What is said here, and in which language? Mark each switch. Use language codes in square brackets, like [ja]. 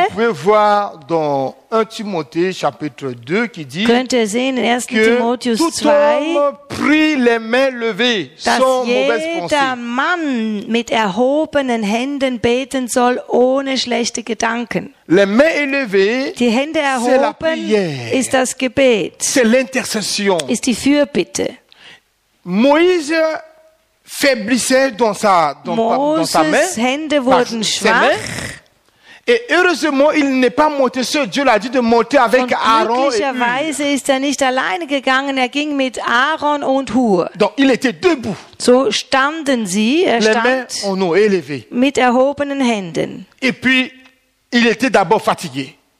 [fr] vous pouvez voir dans 1 Timothée chapitre 2 qui dit, [de] könnt ihr sehen in 1 Timotheus 2, [fr] que tout homme prie les mains levées sans mauvaise pensée. [de] Dass jeder Mann mit erhobenen Händen beten soll ohne schlechte Gedanken. [fr] Les mains élevées, [de] die Hände erhoben, [fr] c'est la prière, [de] ist das Gebet, [fr] c'est l'intercession, [de] ist die Fürbitte. [fr] Moïse faiblissait dans sa main. [de] Moses' Hände wurden schwach. [fr] Et heureusement, il n'est pas monté seul. Dieu l'a dit de monter avec Aaron et Hur. [de] Glücklicherweise ist er nicht alleine gegangen. Er ging mit Aaron und Hur. [fr] Donc, il était debout. [de] So standen sie. [fr] Les mains en haut élevées. [de] Mit erhobenen Händen. [fr] Et puis, il était d'abord fatigué.